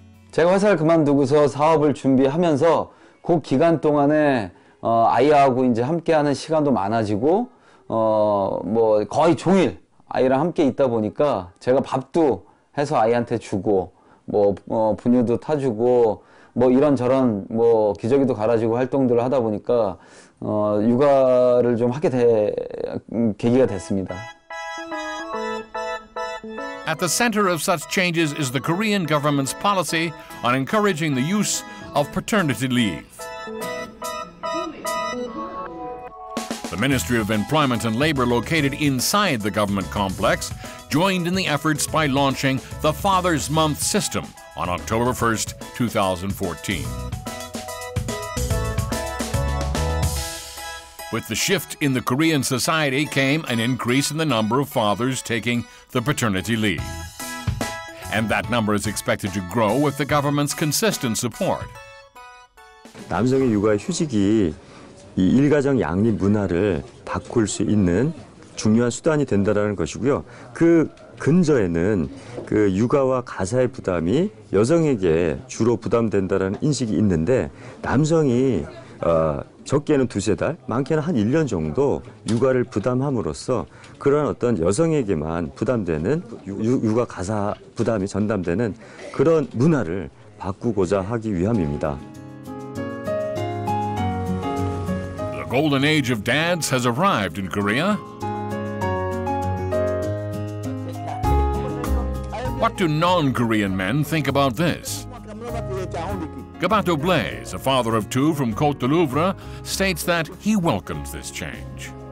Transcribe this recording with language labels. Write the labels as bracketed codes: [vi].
[ko] 제가 회사를 그만두고서 사업을 준비하면서 그 기간 동안에 아이하고 이제 함께하는 시간도 많아지고 뭐 거의 종일 아이랑 함께 있다 보니까 제가 밥도 해서 아이한테 주고 뭐 분유도 타주고 뭐 이런저런 뭐 기저귀도 갈아주고 활동들을 하다 보니까 육아를 좀 하게 된 계기가 됐습니다. [en] At the center of such changes is the Korean government's policy on encouraging the use of paternity leave. The Ministry of Employment and Labor, located inside the government complex, joined in the efforts by launching the Father's Month system on October 1st, 2014. With the shift in the Korean society came an increase in the number of fathers taking the paternity leave. And that number is expected to grow with the government's consistent support. [ko] 남성의 육아 휴직이 이 일가정 양립 문화를 바꿀 수 있는 중요한 수단이 된다라는 것이고요. 그 근저에는 그 육아와 가사의 부담이 여성에게 주로 부담된다라는 인식이 있는데 남성이 적게는 두세 달, 많게는 한 1년 정도 육아를 부담함으로써 그런 어떤 여성에게만 부담되는 육아 가사 부담이 전담되는 그런 문화를 바꾸고자 하기 위함입니다. [en] The golden age of dads has arrived in Korea. What do non-Korean men think about this? Gabato Blaise, a father of two from Côte de Louvre, states that he welcomes this change.